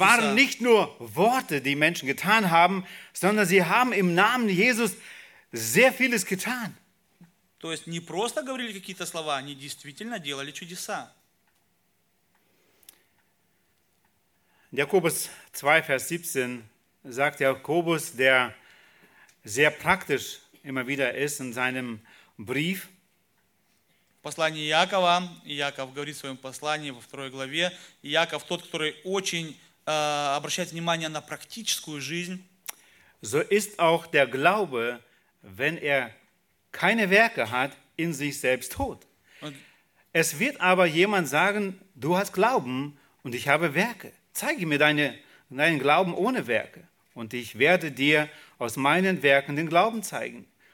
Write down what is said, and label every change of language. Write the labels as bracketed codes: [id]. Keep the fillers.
[de] waren nicht nur Worte, die Menschen getan haben, sondern sie haben im Namen Jesus sehr vieles getan. [ru] То есть не просто говорили какие-то слова, они действительно делали чудеса. [de] Jakobus 2, Vers 17 sagt Jakobus, der sehr praktisch immer wieder ist in seinem Brief. [ru] Послание Якова, Яков говорит своем послании во второй главе, Яков тот, который очень äh, обращает внимание на практическую жизнь. [de] So ist auch der Glaube, wenn er keine Werke hat, in sich selbst tot. es wird aber jemand sagen, du hast Glauben und ich habe Werke zeige mir deinen dein Glauben ohne Werke und ich werde dir aus meinen Werken den Glauben zeigen.